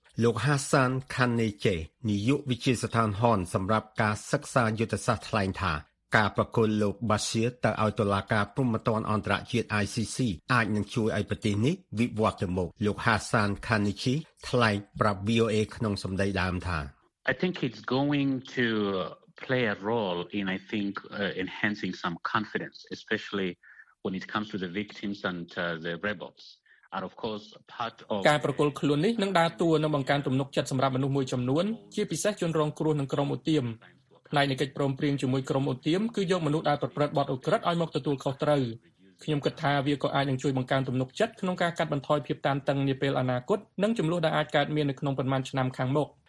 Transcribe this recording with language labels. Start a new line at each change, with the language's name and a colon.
Khmer: លោក Hassan Khanneje នាយកវិទ្យាស្ថានហនសម្រាប់ការសិក្សាយុទ្ធសាស្ត្រថ្លែងថាការប្រគល់លោក Bashir ទៅឲ្យតុលាការព្រហ្មទណ្ឌអន្តរជាតិ ICC អាចនឹងជួយឲ្យប្រទេសនេះវិវត្តទៅមុខលោក Hassan Khanneje ថ្លែងប្រាប់ VOA ក្នុងសម្ដីដើមថា
English: I think it's going to play a role in I think enhancing some confidence especially when it comes to the victims and the rebels and of course part of
Khmer: ការប្រគល់ខ្លួននេះនឹងដើរតួនឹងបង្កើនទំនុកចិត្តសម្រាប់មនុស្សមួយចំនួនជាពិសេសជនរងគ្រោះក្នុងក្រមឧទាមផ្នែកនៃកិច្ចព្រមព្រៀងជាមួយក្រមឧទាមគឺយកមនុស្សដែលប្រព្រឹត្តបទឧក្រិដ្ឋឲ្យមកទទួលខុសត្រូវខ្ញុំគិតថាវាក៏អាចនឹងជួយបង្កើនទំនុកចិត្តក្នុងការកាត់បន្ថយភាពតានតឹងនាពេលអនាគតនិងចំនួនដែលអាចកើតមាននៅក្នុងប៉ុន្មានឆ្នាំខាងមុខ